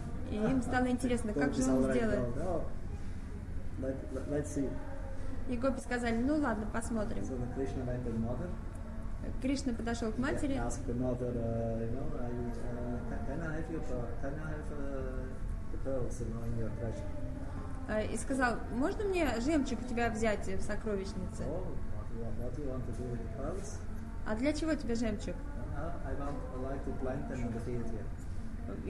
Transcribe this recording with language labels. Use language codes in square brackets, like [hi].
[ru] И им стало интересно, как же он сделает. [en] Let's see. [ru] И гопи сказали, ну ладно, посмотрим. [en] So Krishna went to the mother. [ru] Кришна подошел к матери. [en] He asked the mother, can I have your pearls? Can I have the pearls, you know, in your treasure? [ru] И сказал, можно мне жемчуг у тебя взять в сокровищнице? [en] Oh, what do you want to do with the pearls? [ru] А для чего тебе жемчуг? [en] I like to plant them in the field here.